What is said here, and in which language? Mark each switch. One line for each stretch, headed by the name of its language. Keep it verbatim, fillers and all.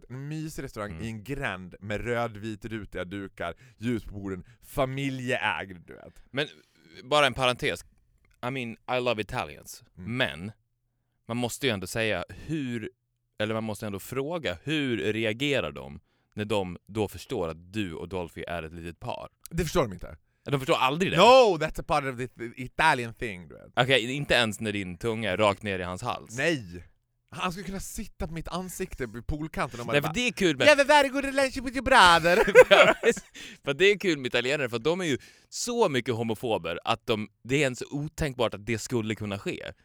Swedish: En mysig restaurang mm. i en gränd med rödvit rutiga dukar, ljus på borden, familjeägd, du vet. Men bara en parentes.
English: I mean, I love Italians. Mm.
Swedish: Men man måste ju ändå säga hur, eller man måste ändå fråga hur reagerar de när de då förstår att du och Dolphy är ett litet par? Det förstår de inte. De förstår aldrig det.
English: No, that's a part of the Italian thing.
Swedish: Okej, okay, inte ens när din tunga är rakt ner i hans hals. Nej. Han skulle kunna sitta på mitt ansikte på poolkanten och man nej, för det är kul med... Jag vill vara god relation
English: with your brother.
Swedish: För det är kul med italienare, för de är ju så mycket homofober att de, det är ens otänkbart att det skulle kunna ske.